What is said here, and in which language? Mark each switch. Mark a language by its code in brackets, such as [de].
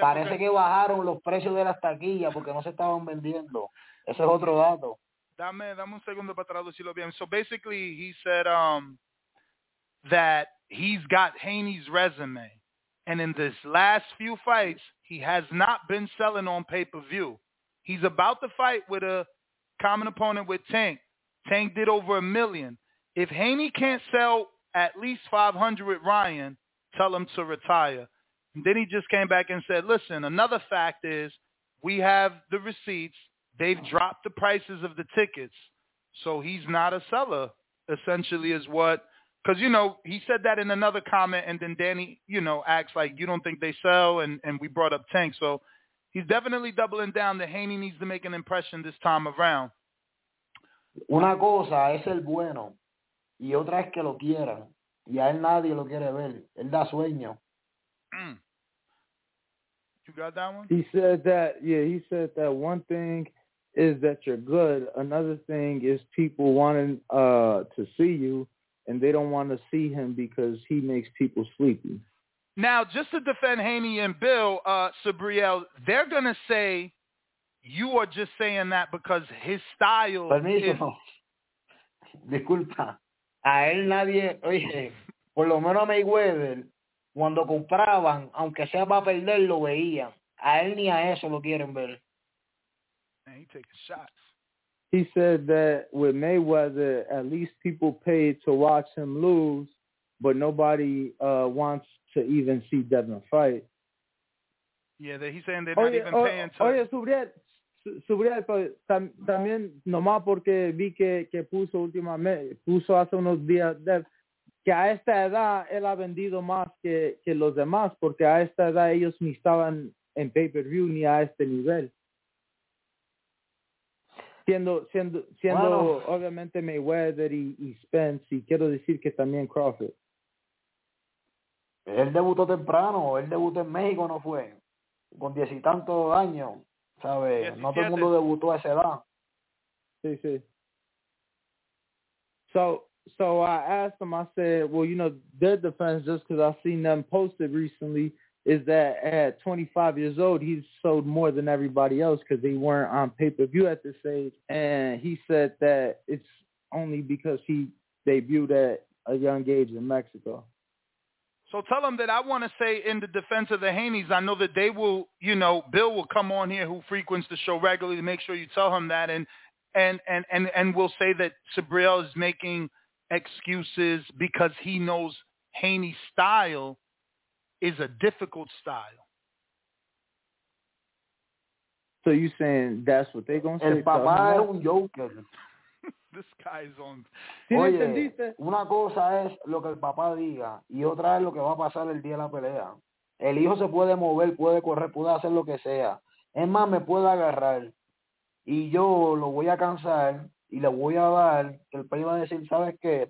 [es] Parece que bajaron los precios de las taquillas porque no se estaban vendiendo. Ese es otro dato. Dame un segundo para traducirlo bien. [en] So basically, he said that he's got Haney's resume. And in this last few fights, he has not been selling on pay-per-view. He's about to fight with a common opponent with Tank. Tank did over $1 million. If Haney can't sell at least 500 with Ryan, tell him to retire. And then he just came back and said, listen, another fact is we have the receipts. They've dropped the prices of the tickets. So he's not a seller, essentially, is what. Because, you know, he said that in another comment, and then Danny, you know, acts like, you don't think they sell, and we brought up Tank. So he's definitely doubling down that Haney needs to make an impression this time around. [es] Una cosa es el bueno, y otra es que lo quieran. Y a él nadie lo quiere ver. Él da sueño. [en] You got that one? He said that, he said that one thing is that you're good. Another thing is people wanting to see you. And they don't want to see him because he makes people sleepy. Now, just to defend Haney and Bill, Sabriel, they're going to say you are just saying that because his style [es] Disculpa. A él nadie, oye, por lo menos a Mayweather, cuando compraban, aunque sea para perder, lo veían. A él ni a eso lo quieren ver. [en] And he taking shots. He said that with Mayweather, at least people paid to watch him lose, but nobody wants to even see Devin fight. Yeah, that he's saying they're not even paying to. [es] Oye, Subriel, también, nomás porque vi que puso últimamente, puso hace unos días, que a esta edad él ha vendido más que los demás, porque a esta edad ellos ni estaban en pay-per-view ni a este nivel. Siendo bueno, obviamente Mayweather y Spence, y quiero decir que también Crawford. Él debutó temprano, él debutó en México, ¿no fue? Con 10 y tantos años, ¿sabes? No todo el mundo debutó a esa edad. Sí, sí. [en] So I asked him, I said, well, you know, their defense, just because I've seen them posted recently, is that at 25 years old, he sold more than everybody else because they weren't on pay-per-view at this age. And he said that it's only because he debuted at a young age in Mexico. So tell him that I want to say in the defense of the Haneys, I know that they will, you know, Bill will come on here who frequents the show regularly to make sure you tell him that. And we'll say that Sabriel is making excuses because he knows Haney's style is a difficult style. So you saying that's what they're going to say? [es] El papá es un joker. [en] This guy's on. [es] Oye, una cosa es lo que el papá diga y otra es lo que va a pasar el día de la pelea. El hijo se puede mover, puede correr, puede hacer lo que sea. Es más, me puede agarrar y yo lo voy a cansar y le voy a dar, que el padre va a decir, ¿sabes qué?